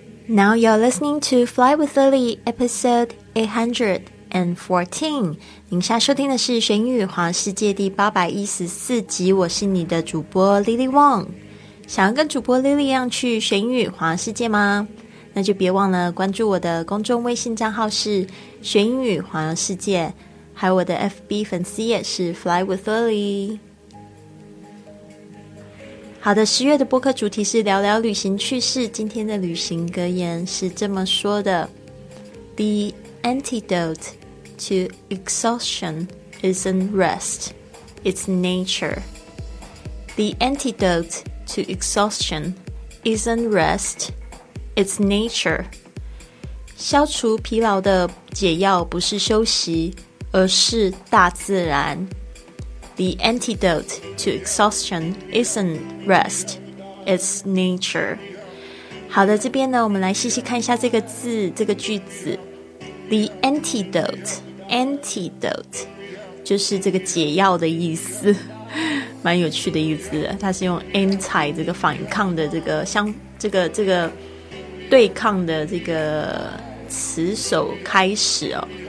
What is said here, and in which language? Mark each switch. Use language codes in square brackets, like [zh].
[en] Now you're listening to Fly with Lily, episode 814. [zh] 您现在收听的是《玄语环世界》第814集，我是你的主播 Lily Wong。想要跟主播 Lily 一样去玄语环世界吗？那就别忘了关注我的公众微信账号是《玄语环世界》，还有我的 FB 粉丝页是 Fly with Lily。好的，10月的播客主题是聊聊旅行趣事。今天的旅行格言是这么说的 ： [en] The antidote to exhaustion isn't rest, it's nature. The antidote to exhaustion isn't rest, it's nature. [zh] 消除疲劳的解药不是休息，而是大自然。 [en] The antidote to exhaustion isn't rest, it's nature. [zh] 好的，这边呢，我们来细细看一下这个字，这个句子。 The antidote 就是这个解药的意思，蛮有趣的意思。它是用 anti 这个反抗的这个相这个对抗的这个词首开始哦。